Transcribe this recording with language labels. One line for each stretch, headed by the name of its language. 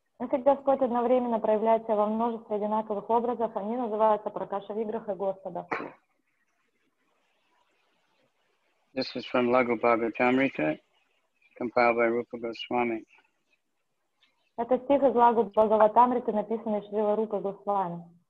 Russian: Когда Господь одновременно проявляется во множестве одинаковых образов, они называются пракашавиграха Господа.
English: This is from Lagu Bhagavatamrita, compiled by Rupa Goswami.
Russian: Это стих из Лагу Бхагаватамриты, написанный Шрила Рупа Госвами.